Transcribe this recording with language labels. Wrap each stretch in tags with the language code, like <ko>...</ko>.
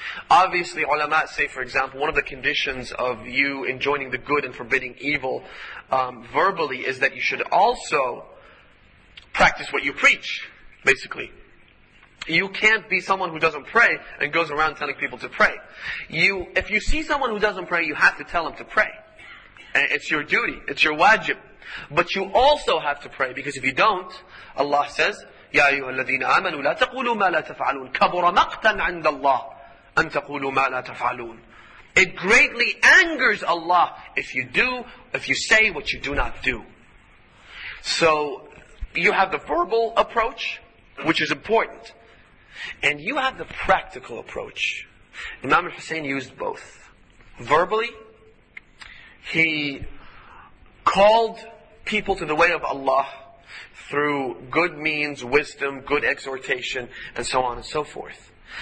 <en>Obviously, ulama say, for example, one of the conditions of you enjoining the good and forbidding evil verbally is that you should also practice what you preach, basically. You can't be someone who doesn't pray and goes around telling people to pray. If you see someone who doesn't pray, you have to tell them to pray. And it's your duty, it's your wajib. But you also have to pray, because if you don't, Allah says,</en> <ar>يَا أَيُّهَا الَّذِينَ آمَنُوا لَا تَقُولُوا مَا لَا تَفْعَلُونَ كَبُرَ مَقْتًا عِنْدَ اللَّهِ أن تقولوا ما لا تفعلون.</ar> <en>It greatly angers Allah if you say what you do not do. So you have the verbal approach, which is important, and you have the practical approach. Imam al-Hussein used both. Verbally, he called people to the way of Allah through good means, wisdom, good exhortation, and so on and so forth.</en>